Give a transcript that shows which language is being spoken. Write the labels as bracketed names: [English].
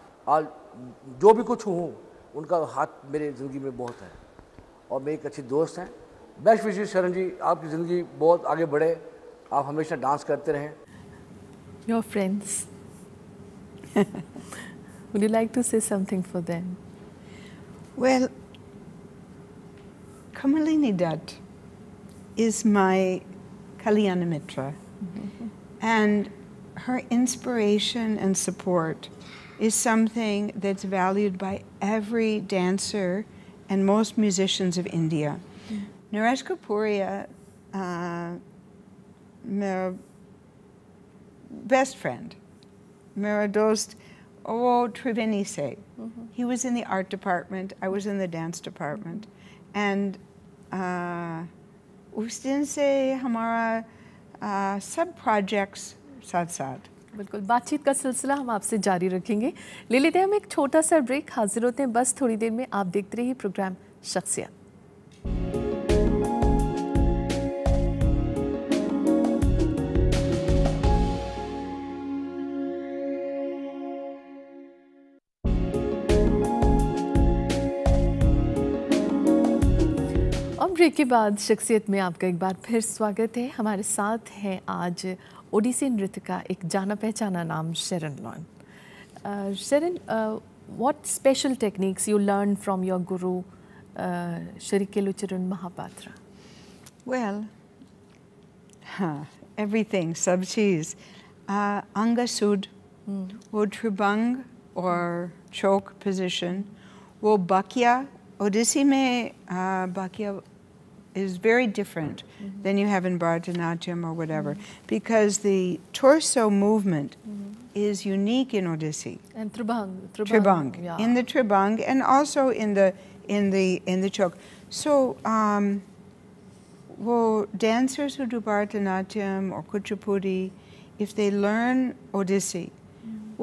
[Hindi] आज जो भी कुछ हूँ उनका हाथ मेरे ज़िंदगी में बहुत है और मेरे एक अच्छे दोस्त हैं. बेस्ट विशेष शरण जी, आपकी ज़िंदगी बहुत आगे बढ़े, आप हमेशा डांस करते रहें. [English] Your friends, would you like to say something for them? Well, Kamalini Dutt is my कल्याण मित्र and her inspiration and support is something that's valued by every dancer and most musicians of India. [Hindi] Naresh Kapuria, [English] my best friend, [Hindi] mera dost, o Triveni se. [English] He was in the art department, I was in the dance department, and [Hindi] us din se hamara sub projects साथ साथ. बिल्कुल, बातचीत का सिलसिला हम आपसे जारी रखेंगे. ले लेते हैं हम एक छोटा सा ब्रेक, हाजिर होते हैं बस थोड़ी देर में. आप देखते रहिए प्रोग्राम शख्सियत. अब ब्रेक के बाद शख्सियत में आपका एक बार फिर स्वागत है. हमारे साथ हैं आज ओडिसी नृत्य का एक जाना पहचाना नाम शरण लोन. [English] Sharon, what special techniques you learn from your guru Shri Kelucharan Mohapatra? Well, everything, [Hindi] सब चीज. अंग सुद, वो त्रिभंग और चौक पोजिशन, वो बाकिया, ओडिसी में बाकिया [English] is very different mm-hmm. than you have in Bharatanatyam or whatever, mm-hmm. because the torso movement mm-hmm. is unique in Odissi. And tribhang. Tribhang. Yeah. In the tribhang and also in the choke. So, dancers who do Bharatanatyam or Kuchipudi, if they learn Odissi, mm-hmm.